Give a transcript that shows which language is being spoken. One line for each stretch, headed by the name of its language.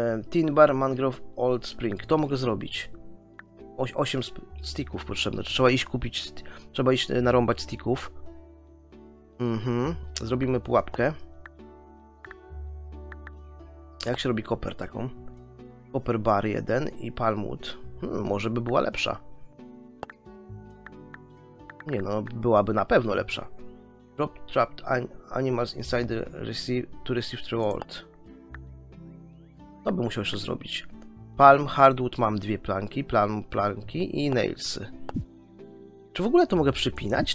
English: Tin Bar, Mangrove, Old Spring.
Polish: To mogę zrobić. 8 sticków potrzebne. Trzeba iść kupić. Trzeba iść narąbać sticków. Mhm. Zrobimy pułapkę. Jak się robi copper taką? Copper Bar 1 i Palmwood. Może by była lepsza. Nie no, byłaby na pewno lepsza.
English: Drop trapped animals inside the receive to receive reward.
Polish: To bym musiał jeszcze zrobić. Palm, hardwood, mam dwie planki. Palm, planki i nailsy. Czy w ogóle to mogę przypinać?